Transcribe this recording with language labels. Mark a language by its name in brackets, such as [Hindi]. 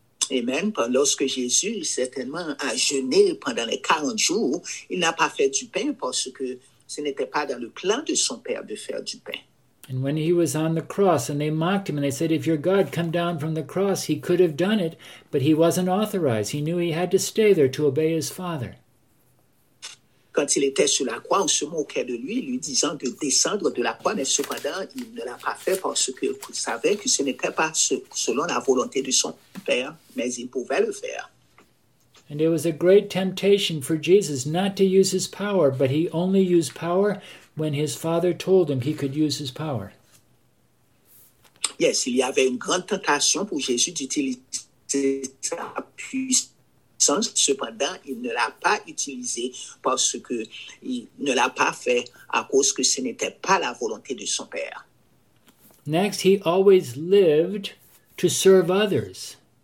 [French] Et même lorsque Jésus, certainement, a jeûné pendant les 40 jours, il n'a pas fait du pain parce que ce n'était pas dans le plan de son Père de faire du pain. [English] And when he was on the cross and they mocked him and they said, if you're God, come down from the cross, he could have done it, but he wasn't authorized. He knew he had to stay there to obey his Father. [French] Quand il était sur la croix, on se moquait de lui disant de descendre de la croix, mais cependant, il ne l'a pas fait parce qu'il savait que ce n'était pas selon la volonté de son Père, mais il pouvait le faire. [English] And it was a great temptation for Jesus not to use his power, but he only used power when his Father told him he could use his power. [French] Yes, il y avait une grande tentation pour Jésus d'utiliser sa puissance. Cependant, il ne l'a pas utilisé parce que il ne l'a pas fait à cause que ce n'était pas la volonté de son Père. [English] Next, he always lived to serve others.